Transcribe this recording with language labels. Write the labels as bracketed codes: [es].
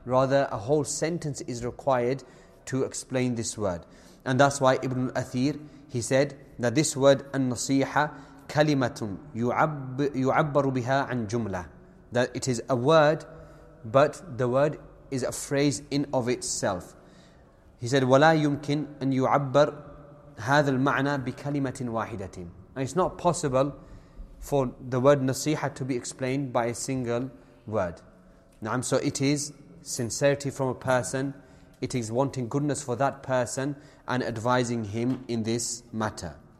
[en] Rather, a whole sentence is required to explain this word. And that's why Ibn al-Athir, he said that this word an-nasiha [ar] kalimatun yu'abbaru biha an jumla, [en] that it is a word, but the word is a phrase in of itself. He said, [ar] وَلَا يُمْكِنْ أَنْ يُعَبَّرْ هَذَا الْمَعْنَى بِكَلِمَةٍ وَاحِدَةٍ. [en] And it's not possible for the word nasiha to be explained by a single word. So it is sincerity from a person, it is wanting goodness for that person and advising him in this matter.